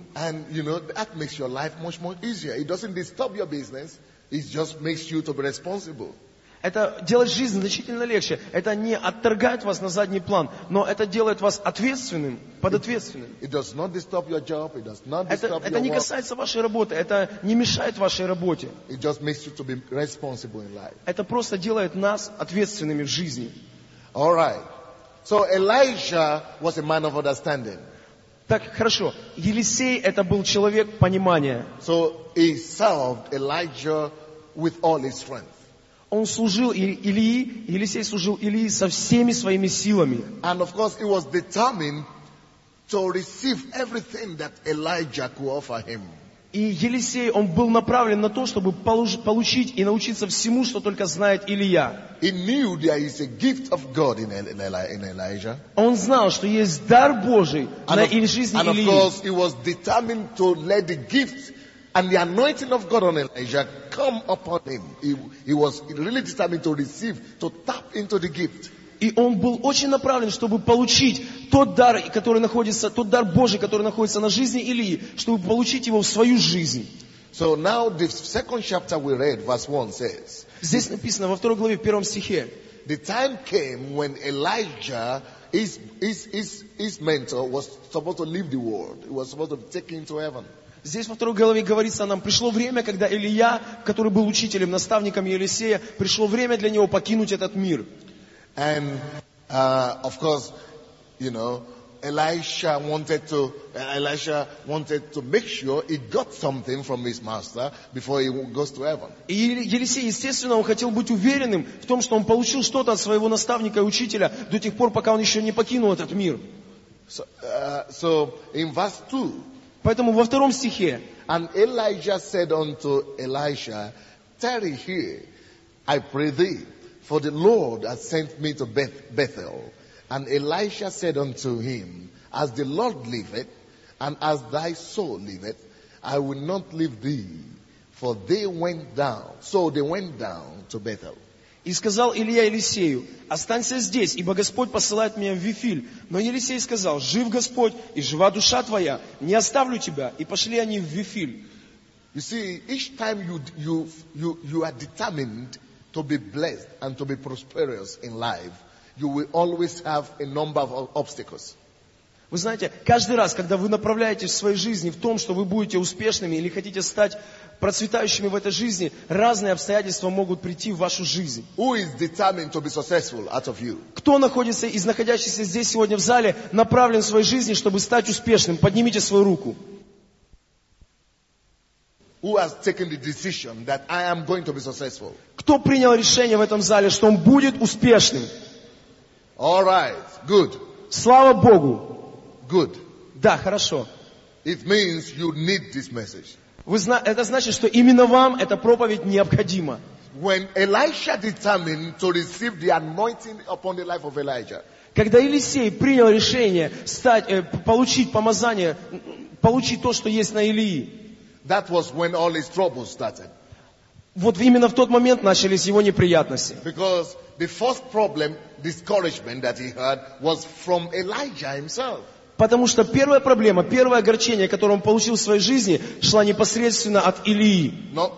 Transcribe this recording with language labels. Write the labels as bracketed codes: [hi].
[en] And you know, that makes your life much more easier. It doesn't disturb your business. It just makes you to be responsible. [ru] Это делает жизнь значительно легче. Это не отторгает вас на задний план, но это делает вас ответственным, подответственным. [en] It does not disturb your job. It does not disturb your work. [ru] Это не касается вашей работы. Это не мешает вашей работе. [en] It just makes you to be responsible in life. [ru] Это просто делает нас ответственными в жизни. [en] All right. So Elijah was a man of understanding. [ru] Так, хорошо. Елисей это был человек понимания. [en] So he served Elijah with all his strength. [ru] Он служил Илии, Елисей служил Илии со всеми своими силами. [en] And of course, he was determined to receive everything that Elijah could offer him. [ru] И Елисей, он был направлен на то, чтобы получить и научиться всему, что только знает Илия. [en] He knew there is a gift of God in Elijah. [ru] Он знал, что есть дар Божий на жизни Илии. [en] And of course, he was determined to let the gift and the anointing of God on Elijah come upon him. He was really determined to receive, to tap into the gift. [ru] И он был очень направлен, чтобы получить тот дар Божий, который находится на жизни Илии, чтобы получить его в свою жизнь. [en] So now the second chapter we read, verse 1 says. [ru] Здесь написано во второй главе, в первом стихе. [en] The time came when Elijah, his mentor, was supposed to leave the world. He was supposed to be taken into heaven. [ru] Здесь во второй главе говорится нам, пришло время, когда Илия, который был учителем, наставником Елисея, пришло время для него покинуть этот мир. [en] And, of course, you know, Elisha wanted to make sure he got something from his master before he goes to heaven. [ru] И Елисей, естественно, он хотел быть уверенным в том, что он получил что-то от своего наставника и учителя до тех пор, пока он еще не покинул этот мир. [en] So in verse 2, [ru] поэтому во втором стихе. [en] And Elijah said unto Elisha, tarry here, I pray thee, for the Lord hath sent me to Bethel. And Elisha said unto him, as the Lord liveth, and as thy soul liveth, I will not leave thee, for they went down. So they went down to Bethel. [ru] И сказал Илия Елисею, останься здесь, ибо Господь посылает меня в Вифиль. Но Елисей сказал, жив Господь и жива душа твоя, не оставлю тебя. И пошли они в Вифиль. [en] You see, each time you are determined to be blessed and to be prosperous in life, you will always have a number of obstacles. [ru] Вы знаете, каждый раз, когда вы направляетесь в своей жизни в том, что вы будете успешными или хотите стать процветающими в этой жизни, разные обстоятельства могут прийти в вашу жизнь. [en] Who is determined to be successful out of you? [ru] Кто находится из находящихся здесь сегодня в зале, направлен в своей жизни, чтобы стать успешным? Поднимите свою руку. [en] Who has taken the decision that I am going to be successful? [ru] Кто принял решение в этом зале, что он будет успешным? [en] All right, good. [ru] Слава Богу. [en] Good. [ru] Да, хорошо. [en] It means you need this message. [ru] Это значит, что именно вам эта проповедь необходима. [en] When Elisha determined to receive the anointing upon the life of Elijah. [ru] Когда Елисей принял решение получить помазание, получить то, что есть на Илии. [en] That was when all his troubles started. [ru] Вот именно в тот момент начались его неприятности. [en] Because the first problem, discouragement that he had, was from Elijah himself. [ru] Потому что первая проблема, первое огорчение, которое он получил в своей жизни, шла непосредственно от Илии.